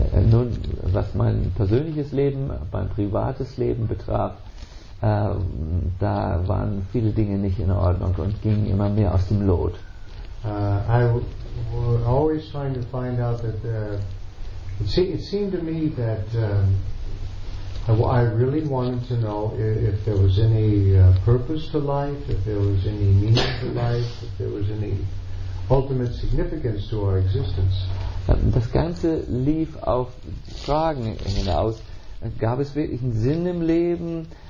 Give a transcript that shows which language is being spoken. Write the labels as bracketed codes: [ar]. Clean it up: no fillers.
[de] Nun, was mein persönliches Leben, mein privates Leben betraf, da waren viele Dinge nicht in Ordnung und gingen immer mehr aus dem Lot. [en] I was always trying to find out that it seemed to me that I really wanted to know if there was any purpose to life, if there was any meaning to life, if there was any ultimate significance to our existence. [de] Das Ganze lief auf Fragen hinaus. Gab es wirklich einen Sinn im Leben?